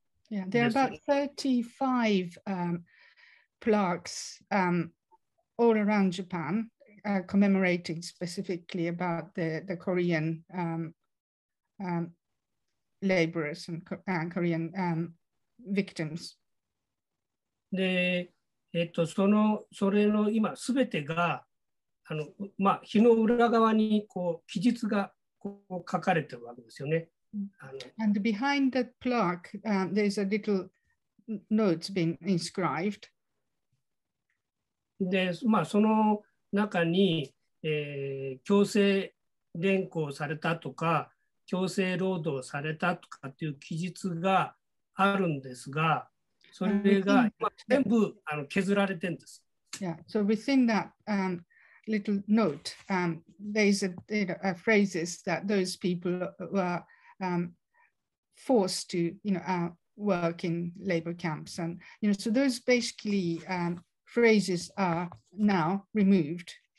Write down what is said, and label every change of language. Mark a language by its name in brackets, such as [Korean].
[English] Yeah, there are about 35 plaques all around Japan commemorating specifically about the Korean laborers and Korean victims. [Japanese] で、それの今すべてが、まあ、碑の裏側にこう記述がこう書かれてるわけですよね。 [English] And behind the plaque, there's a little notes being inscribed. [Japanese] で、まあ、その中に、強制連行されたとか、強制労働されたとかっていう記述があるんですが、それが今全部削られてるんです。 [English] Yeah, so within that little note, there's a phrases that those people were forced to, work in labor camps, and so those basically phrases are now removed.